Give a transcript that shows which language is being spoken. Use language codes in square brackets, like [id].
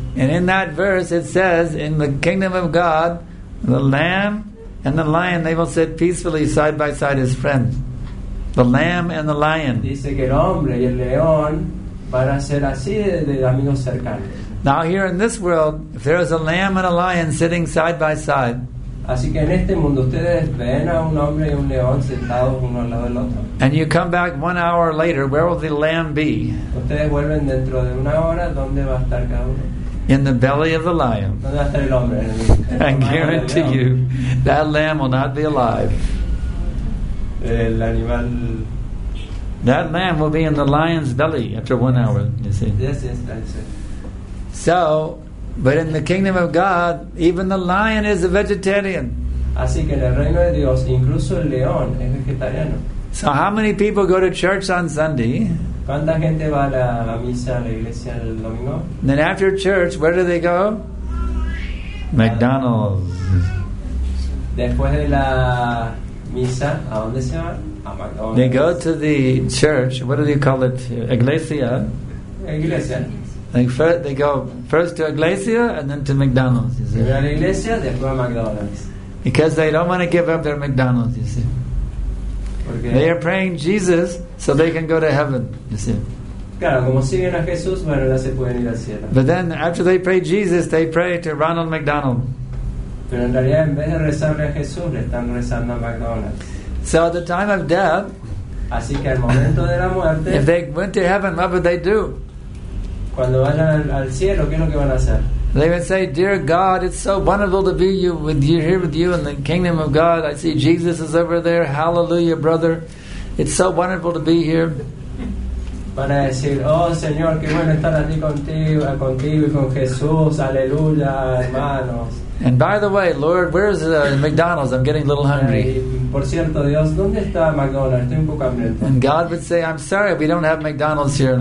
[en] And in that verse it says, in the kingdom of God, the lamb and the lion, they will sit peacefully side by side as friends. The lamb and the lion. [es] Dice que el hombre y el león van a ser así de amigos cercanos. [en] Now here in this world, if there is a lamb and a lion sitting side by side, [es] así que en este mundo ustedes ven a un hombre y un león sentados uno al lado del otro. [en] And you come back 1 hour later, where will the lamb be? [es] Ustedes vuelven dentro de una hora, ¿dónde va a estar cada uno? [en] In the belly of the lion. [es] ¿Dónde va a estar el hombre? [en] I guarantee you, that lamb will not be alive. [es] El animal... [en] That lamb will be in the lion's belly after 1 hour, you see. Yes, that's it. So... But in the kingdom of God, even the lion is a vegetarian. [es] Así que en el reino de Dios, incluso el león es vegetariano. [en] So how many people go to church on Sunday? [es] ¿Cuánta gente va a la misa, a la iglesia el domingo? [en] And then after church, where do they go? McDonald's. [es] Después de la misa, ¿a dónde se van? A McDonald's. [en] They go to the church. What do you call it? Iglesia. [es] Iglesia. [en] They go first to Iglesia and then to McDonald's, you see. [es] Iglesia, después a McDonald's. [en] Because they don't want to give up their McDonald's, you see. [es] Porque [en] they are praying Jesus so they can go to heaven, you see. [es] Claro, como siguen a Jesús, bueno, ya se pueden ir al cielo. [en] But then after they pray Jesus, they pray to Ronald McDonald. [es] Pero en realidad, en vez de rezarle a Jesús, le están rezando a McDonald's. [en] So at the time of death, [es] así que al momento de la muerte, [en] if they went to heaven, what would they do? [es] Cuando vayan al cielo, ¿qué es lo que van a hacer? [en] They would say, "Dear God, it's so wonderful to be here with you in the kingdom of God. I see Jesus is over there. Hallelujah, brother. It's so wonderful to be here." [es] Van a decir, "Oh, Señor, qué bueno estar aquí contigo y con Jesús. Aleluya, hermanos." [en] And by the way, Lord, where is McDonald's? I'm getting a little hungry. [es] Por cierto, Dios, ¿dónde está McDonald's? Estoy un poco hambriento. [en] And God would say, "I'm sorry, we don't have McDonald's here in